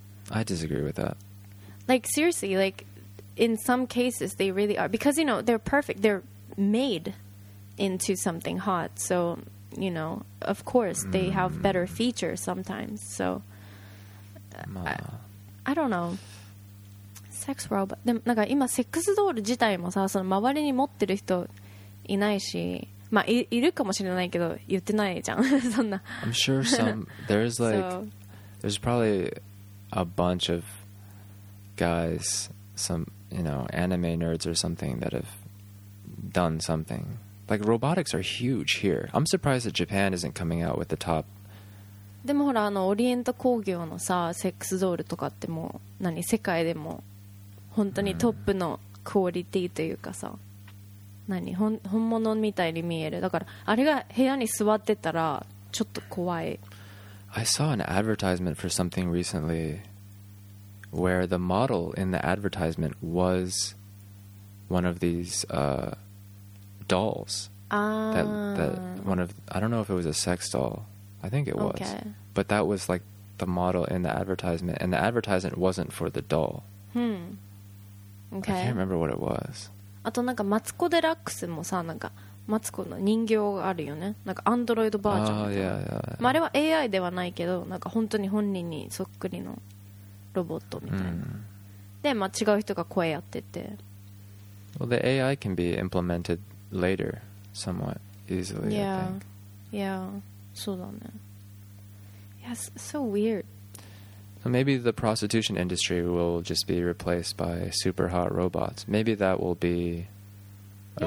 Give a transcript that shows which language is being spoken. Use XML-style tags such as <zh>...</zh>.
<en>I disagree with that. Like, seriously, like, in some cases, they really are. Because, you know, they're perfect. They're made into something hot. So, you know, of course, they have better features sometimes. So, I don't know. Sex robot.</en> <ja>でもなんか今セックスドール自体もさ、その周りに持ってる人いないし、まあ いるかもしれないけど言ってないじゃん。そんな。</ja> <en>I'm sure some there's like so, there's probably a bunch of guys, some you know anime nerds or something that have done something. Like robotics are huge here. I'm surprised that Japan isn't coming out with the top.</en> <ja>でもほらあのオリエント工業のさセックスドールとかってもう何世界でも。本当にトップのクオリティというかさ、何本物みたいに見える。だからあれが部屋に座ってたらちょっと怖い。</ja> <en>I saw an advertisement for something recently where the model in the advertisement was one of these dolls. That one of I don't know if it was a sex doll. I think it was. Okay. But that was like the model in the advertisement, and the advertisement wasn't for the doll. Okay. I can't remember what it was.</en> <ja>あとなんかマツコデラックスもさなんかマツコの人形があるよね。なんかアンドロイドバージョン。</ja> <en>Oh, yeah.</en> <ja>まあ、あれは AI ではないけどなんか本当に本人にそっくりのロボットみたいな。で、まあ、違う人が声やってて。</ja> <en>Well, the AI can be implemented later, somewhat easily. Yeah. I think. Yeah.</en> <ja>そうだね。</ja> <en>Yes. So weird. So maybe the prostitution industry will just be replaced by super hot robots. Maybe that will be a</en>